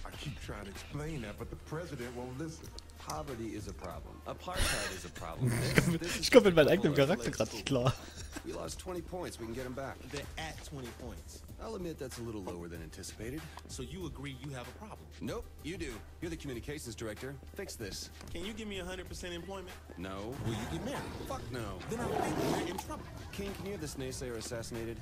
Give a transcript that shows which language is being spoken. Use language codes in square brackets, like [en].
[en] I keep trying to explain that, but the president won't listen. Poverty is a problem. Apartheid is a problem. [de] Ich komme mit meinem eigenen Charakter gerade nicht klar. [en] We lost 20 points. We can get them back. They're at 20 points. I'll admit that's a little lower than anticipated. So you agree you have a problem? Nope, you do. You're the communications director. Fix this. Can you give me 100% employment? No. Will you get married? Fuck no. Then I'm in trouble. King, can you have this naysayer assassinated?